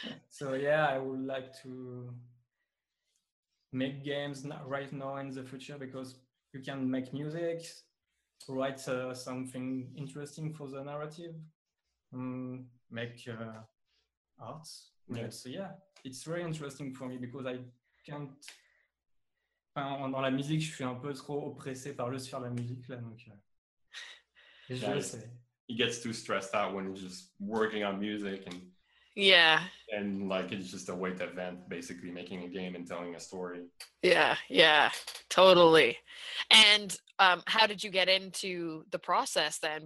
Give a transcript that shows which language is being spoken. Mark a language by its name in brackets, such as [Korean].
[English] So yeah, I would like to make games right now in the future because you can make music, write something interesting for the narrative, make art. Yeah. So yeah, it's very interesting for me because I can't... [French] Enfin, dans la musique, je suis un peu trop oppressé par le faire la musique. Là, donc, [English] He gets too stressed out when he's just working on music and like it's just a way to vent, basically making a game and telling a story. Yeah, totally. And how did you get into the process then?